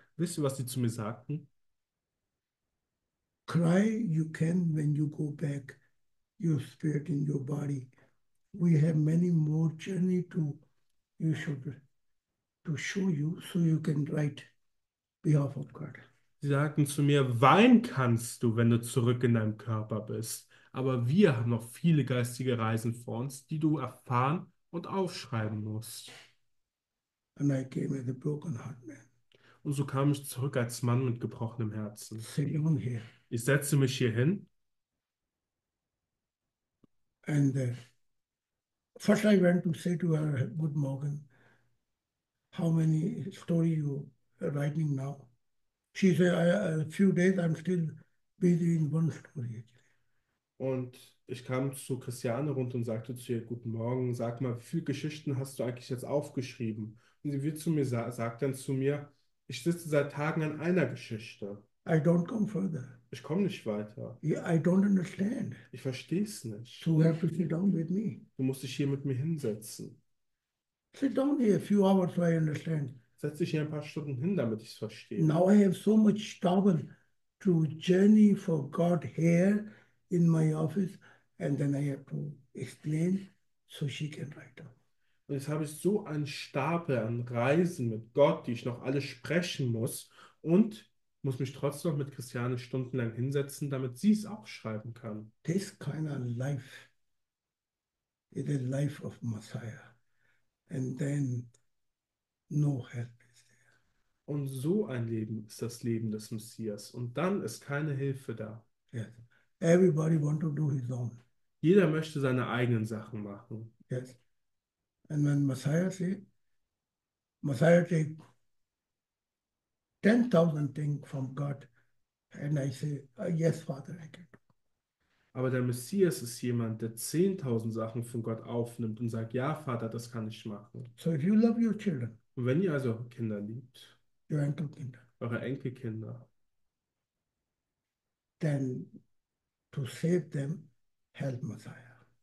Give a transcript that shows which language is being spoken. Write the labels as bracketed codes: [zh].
[de] Wisst ihr, was sie zu mir sagten? [en] Cry you can when you go back, your spirit in your body. We have many more journey to you should to show you, so you can write behalf of God. [de] Sie sagten zu mir, weinen kannst du, wenn du zurück in deinem Körper bist. Aber wir haben noch viele geistige Reisen vor uns, die du erfahren und aufschreiben musst. [en] And I came as a broken heart man. [de] Und so kam ich zurück als Mann mit gebrochenem Herzen. [en] Sitting on here. [de] Ich setzte mich hier hin. [en] And first I went to say to her, good Morgan, how many story you writing now? She said, a few days I'm still busy in one story actually. [de] Und ich kam zu Christiane runter und sagte zu ihr, guten Morgen, sag mal, wie viele Geschichten hast du eigentlich jetzt aufgeschrieben? Und sie wird zu mir sa sagt dann zu mir, ich sitze seit Tagen an einer Geschichte. [en] I don't come further. [de] Ich komme nicht weiter. [en] Yeah, I don't understand. [de] Ich verstehe es [en] So [de] nicht. [en] you have to sit down with me. [de] Du musst dich hier mit mir hinsetzen. [en] Sit down here a few hours so I understand. [de] Setz dich hier ein paar Stunden hin, damit ich es verstehe. [en] Now I have so much trouble to journey for God here in my office and then I have to explain so she can write down. [de] Und jetzt habe ich so einen Stapel an Reisen mit Gott, die ich noch alle sprechen muss und muss mich trotzdem noch mit Christiane stundenlang hinsetzen, damit sie es auch schreiben kann. [en] This kind of life is a life of Messiah. And then no help is [de] Und so ein Leben ist das Leben des Messias und dann ist keine Hilfe da. [en] there. Yes. Everybody want to do his own. [de] Jeder möchte seine eigenen Sachen machen. [en] Yes. And when Messiah take 10,000 things from God, and I say, yes, Father, I can. [de] Aber der Messias ist jemand, der 10.000 Sachen von Gott aufnimmt und sagt, ja, Vater, das kann ich machen. [en] So if you love your children, [de] Und wenn ihr also eure Kinder liebt, [en] your Enkelkinder, [de] eure Enkelkinder, [en] then to save them, help Messiah.